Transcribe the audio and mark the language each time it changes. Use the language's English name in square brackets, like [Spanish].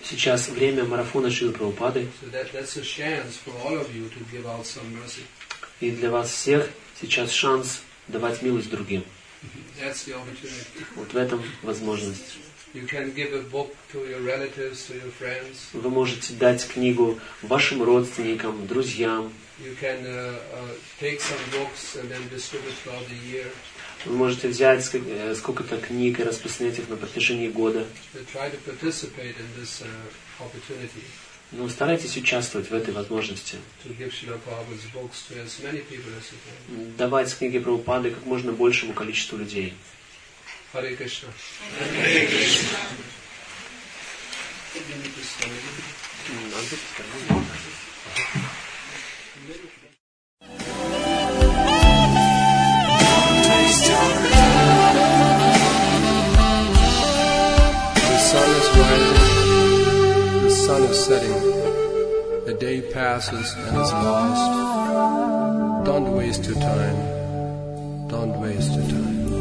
[Russian] Сейчас время марафона Шрилы Прабхупады. [English] So that's a chance for all of you to give out some mercy. [Russian] И для вас всех сейчас шанс давать милость другим. [English] That's the opportunity. [Russian] Вот в этом возможность. [English] You can give a book to your relatives, to your friends. [Russian] Вы можете дать книгу вашим родственникам, друзьям. [English] You can take some books and then distribute throughout the year. [Russian] Вы можете взять сколько-то книг и распространять их на протяжении года. [English] Try to participate in this opportunity. [Russian] Ну, старайтесь участвовать в этой возможности. [English] To give Srila Prabhupada's books to as many people as you can. [Russian] Давать книги Прабхупады как можно большему количеству людей. [English] Hare Krishna. Hare Krishna. The sun is rising, the sun is setting, the day passes and is lost. Don't waste your time, don't waste your time.